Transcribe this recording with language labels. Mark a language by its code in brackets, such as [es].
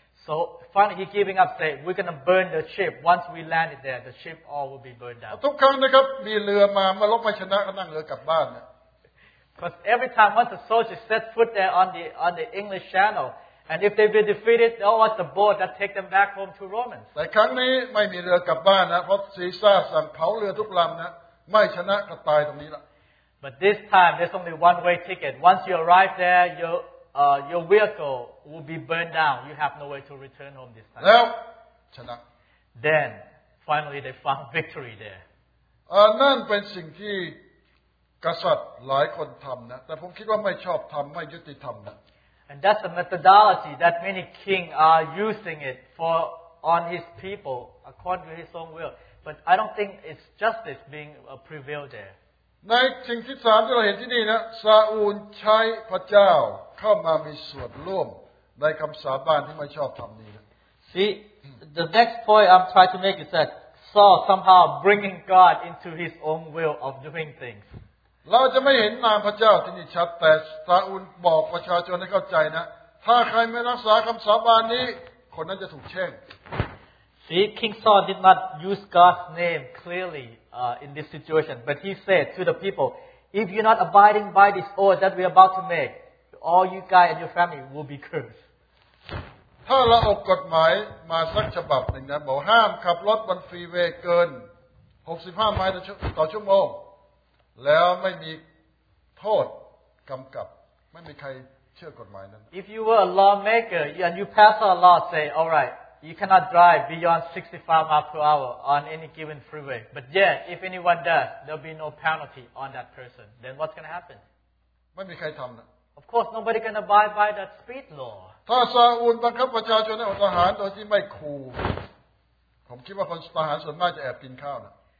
[en] So finally he giving up saying, we're going to burn the ship. Once we land it there, the ship all will be burned down. [th] ทุกครั้งนะครับมีเรือมามาลบไม่ชนะก็นั่งเรือกลับบ้านนะ [en] Because every time once the soldiers set foot there on the English Channel, and if they've been defeated, they all want the boat that take them back home to Romans. [th] แต่ครั้งนี้ไม่มีเรือกลับบ้านนะเพราะซีซาร์สั่งเผาเรือทุกลำนะไม่ชนะก็ตายตรงนี้ละ [en] But this time there's only one way ticket. Once you arrive there, your vehicle will be burned down. You have no way to return home this time. Now, chana. Then, finally, they found victory there. [th] นั่นเป็นสิ่งที่กษัตริย์หลายคนทำนะแต่ผมคิดว่าไม่ชอบทำไม่ยุติธรรมนะ [en] And that's the methodology that many kings are using it for on his people according to his own will. But I don't think it's justice being prevailed there. [th] ในสิ่งที่สามที่เราเห็นที่นี่นะซาอูลใช้พระเจ้าเข้ามามีส่วนร่วมในคำสาบานที่ไม่ชอบทำนี้นะ [en] See the next point I'm trying to make is that Saul somehow bringing God into his own will of doing things [th] เราจะไม่เห็นนามพระเจ้าที่นี่ชัดแต่ซาอูลบอกประชาชนให้เข้าใจนะถ้าใครไม่รักษาคำสาบานนี้คนนั้นจะถูกแช่ง [en] See King Saul did not use God's name clearlyin this situation. But he said to the people, if you're not abiding by this oath that we're about to make, all you guys and your family will be cursed. [th] ถ้าเราออกกฎหมายมาสักฉบับหนึ่งนะบอกห้ามขับรถบนฟรีเวย์เกิน65ไมล์ต่อชั่วโมงแล้วไม่มีโทษกำกับไม่มีใครเชื่อกฎหมายนั้น [en] If you were a lawmaker and you pass a law say, all right,You cannot drive beyond 65 miles per hour on any given freeway. But yet, if anyone does, there'll be no penalty on that person. Then what's going to happen? [th] ไม่มีใครทำนะ [en] Of course, nobody can abide by that speed law. [th] ถ้าซาอูลบังคับประชาชนให้อดอาหารโดยที่ไม่ขู่ผมคิดว่าคนทหารส่วนมากจะแอบกินข้าวนะ